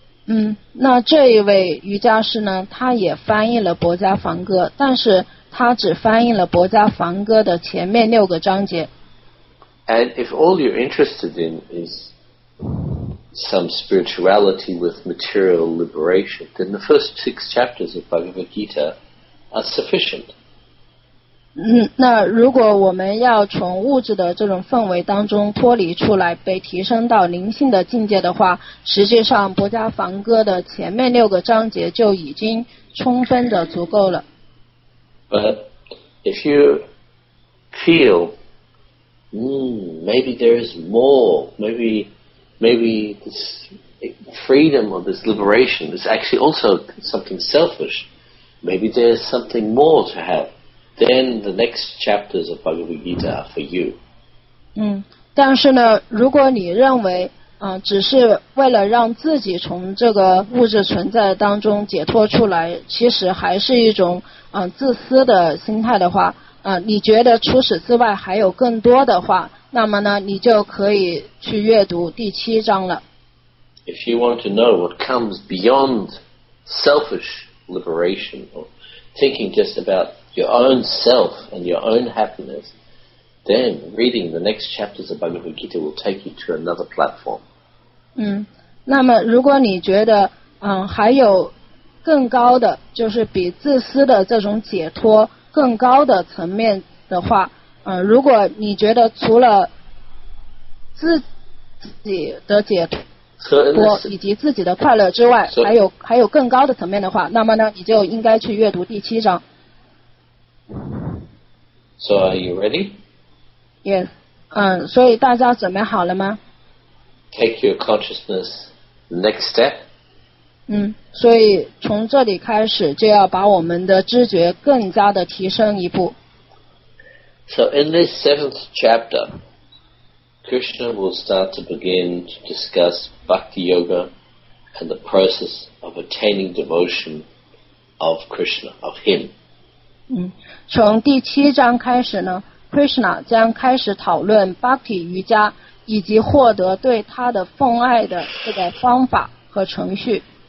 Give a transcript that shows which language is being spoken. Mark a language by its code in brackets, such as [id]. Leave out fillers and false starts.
[zh] 嗯，那这一位瑜伽师呢，他也翻译了《薄伽梵歌》，但是他只翻译了《薄伽梵歌》的前面六个章节。 [en] And if all you're interested in is some spirituality with material liberation, then the first six chapters of Bhagavad Gita are sufficient. [zh] 那如果我们要从物质的这种氛围当中脱离出来，被提升到灵性的境界的话，实际上《薄伽梵歌》的前面六个章节就已经充分的足够了。 [en] But if you feel, maybe there is more, maybe this freedom or this liberation is actually also something selfish. Maybe there's something more to have. Then the next chapters of Bhagavad Gita are for you. [zh] 但是呢，如果你认为只是为了让自己从这个物质存在当中解脱出来，其实还是一种自私的心态的话，你觉得除此之外还有更多的话，那么呢，你就可以去阅读第七章了。 [en] If you want to know what comes beyond selfish liberation or thinking just about your own self and your own happiness, then reading the next chapters of Bhagavad Gita will take you to another platform. [zh] 那么如果你觉得还有更高的，就是比自私的这种解脱更高的层面的话，如果你觉得除了自己的解脱以及自己的快乐之外，还有更高的层面的话，那么呢，你就应该去阅读第七章。 [en] So are you ready? Yes. [zh] 所以大家准备好了吗 [en] ？Take your consciousness next step. [zh] 所以从这里开始就要把我们的知觉更加的提升一步。 [en] So in this seventh chapter, Krishna will start to begin to discuss bhakti yoga and the process of attaining devotion of Krishna, of Him. [zh] 从第七章开始呢 ，Krishna 将开始讨论 bhakti 瑜伽以及获得对他的奉爱的这个方法和程序。